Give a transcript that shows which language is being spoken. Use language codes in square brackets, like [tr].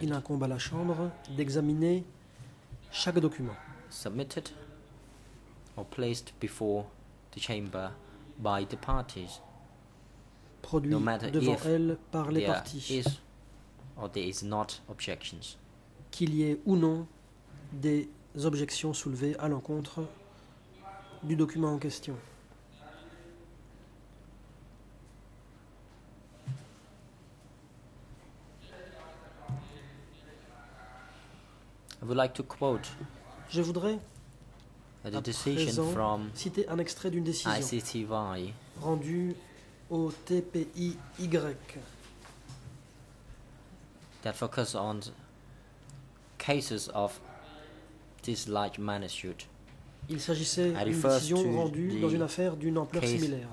[fr] Il incombe à la chambre d'examiner chaque document [en] submitted or placed before the chamber by the parties, [fr] produit [en] no matter [fr] devant [en] if [fr] elle par les parties. [en] There is or there is not objections. [fr] Qu'il y ait ou non des objections soulevées à l'encontre du document en question. [en] I would like to quote [fr] je voudrais [en] a decision from [fr] citer un extrait d'une décision [en] ICTY [fr] rendue au TPIY [en] that focuses on cases of this large magnitude. [fr] Il s'agissait d'une décision rendue dans une affaire d'une ampleur similaire.